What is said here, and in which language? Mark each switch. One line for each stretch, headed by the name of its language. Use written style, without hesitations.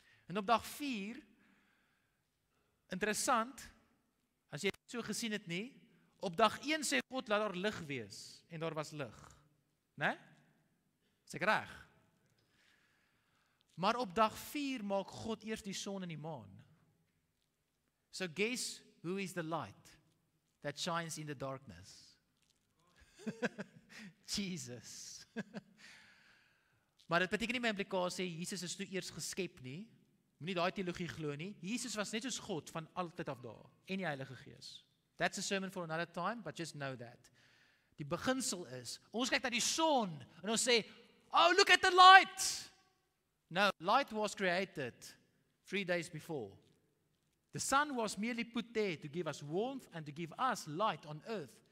Afrikaans: En op dag 4, interessant, as jy so gesien het nie, op dag 1 sê God laat daar lig wees, en daar was lig. Né? Is ek reg? Maar op dag 4 maak God eers die son en die maan.
English: So guess who is the light that shines in the darkness?
Afrikaans: Jesus. Maar dit beteken nie my implikasie, Jesus is toe eers geskep nie. Moet nie daai teologie glo nie. Jesus was net soos God van altyd af daar en die Heilige Gees.
English: That's a sermon for another time, but just know that.
Afrikaans: Die beginsel is, ons kyk na die son en ons sê,
English: oh, look at the light. No, light was created 3 days before. The sun was merely put there to give us warmth and to give us light on earth.